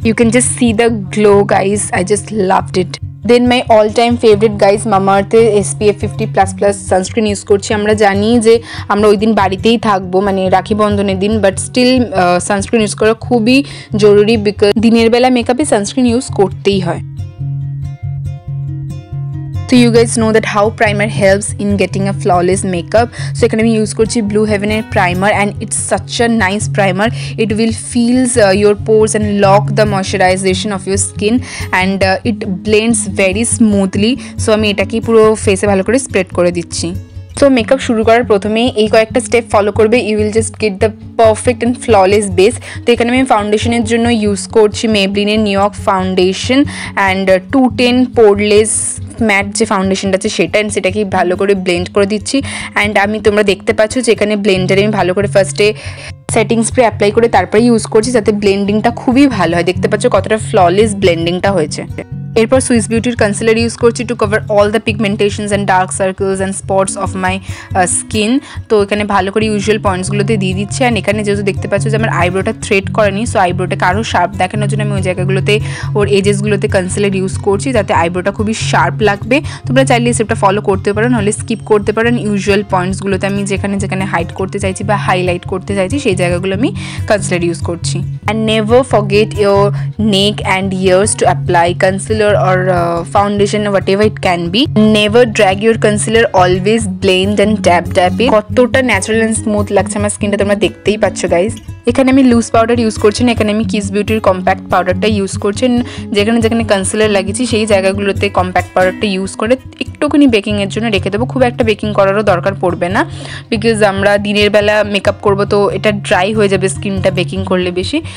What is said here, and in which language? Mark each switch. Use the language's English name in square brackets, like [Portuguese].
[English] You can just see the glow guys, I just loved it. Then my all time favourite guys, Mamaearth SPF 50++ sunscreen use করছি। [Bangla] আমরা জানি যে আমরা ওই দিন বাড়িতেই থাকবো, মানে রাখি বন্ধনের দিন, বাট স্টিল সানস্ক্রিন ইউজ করা খুবই জরুরি, বিকজ দিনের বেলা মেকআপে সানস্ক্রিন ইউজ করতেই হয়। [English] So you guys know that how primer helps in getting a flawless makeup. [Bangla] So ekhane ami use korchi Blue Heaven er primer [English] and it's such a nice primer. It will fills your pores and lock the moisturization of your skin and it blends very smoothly. [Bangla] So ami etake puro face e bhalo kore spread kore dicchi. তো makeup শুরু করার প্রথমেই এই কয়েকটা step follow করবে, [English] You will just get the perfect and flawless base. [Bangla] তো এখানে আমি ফাউন্ডেশনের জন্য ইউজ করছি মেবলিনের new York foundation and 210 poreless mat যে ফাউন্ডেশনটা আছে সেটা, অ্যান্ড সেটাকে ভালো করে ব্লেন্ড করে দিচ্ছি। অ্যান্ড আমি তোমরা দেখতে পাচ্ছ যে এখানে ব্লেন্ডারে আমি ভালো করে ফার্স্টে সেটিং স্প্রে অ্যাপ্লাই করে তারপরে ইউজ করছি, যাতে ব্লেন্ডিংটা খুবই ভালো হয়। দেখতে পাচ্ছ কতটা ফ্ললেস ব্লেন্ডিংটা হয়েছে। এরপর সুইস বিউটির কনসিলার ইউজ করছি [English] To cover all the pigmentations and dark circles and spots of my skin. [Bangla] তো এখানে ভালো করে ইউজুয়াল পয়েন্টসগুলোতে দিয়ে দিচ্ছি, অ্যান্ড এখানে যেহেতু দেখতে পাচ্ছ যে আমার আইব্রোটা থ্রেড করেনি, সো আইব্রোটাকে আরও শার্প দেখানোর জন্য আমি ওই জায়গাগুলোতে ওর এজেসগুলোতে কনসিলার ইউজ করছি, যাতে আইব্রোটা খুবই শার্প লাগবে। তোমরা চাইলে সেটা ফলো করতে পারো, নাহলে স্কিপ করতে পারো। ইউজুয়াল পয়েন্টসগুলোতে আমি যেখানে যেখানে হাইড করতে চাইছি বা হাইলাইট করতে চাইছি সেই জায়গাগুলো আমি কনসিলার ইউজ করছি। [English] And never forget your neck and ears to apply concealer or foundation, whatever it can be. Never drag your concealer, always blend and dab it. [Bangla] Kotota natural and smooth lagche amar skin ta, tumra dekhtei pachho guys. এখানে আমি loose powder use করছি না, এখানে আমি kiss বিউটির compact পাউডারটা use করছি। যেখানে যেখানে কনসিলার লাগিয়েছি সেই জায়গাগুলোতে কম্প্যাক্ট পাউডারটা ইউজ করে একটুখানি বেকিংয়ের জন্য রেখে দেবো। খুব একটা বেকিং করারও দরকার পড়বে না, বিকজ আমরা দিনের বেলা মেকআপ করবো তো এটা ড্রাই হয়ে যাবে স্কিনটা বেকিং করলে বেশি।